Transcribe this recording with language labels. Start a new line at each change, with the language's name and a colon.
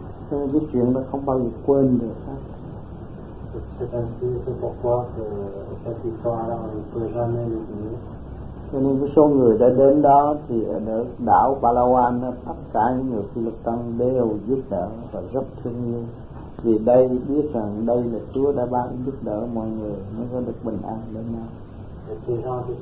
Vietnamese: Cái chuyện đó không bao giờ quên được.
French: C'est ainsi, c'est pourquoi que cette histoire-là, on ne peut jamais l'oublier.
Vietnamese: Cho nên, số người đã đến đó, thì ở đảo Palawan, tất cả những người Phi Lực Tăng đều giúp đỡ và rất thương yêu. Vì đây, biết rằng đây là Chúa đã ban giúp đỡ mọi người, mới có được bình an đến nhau.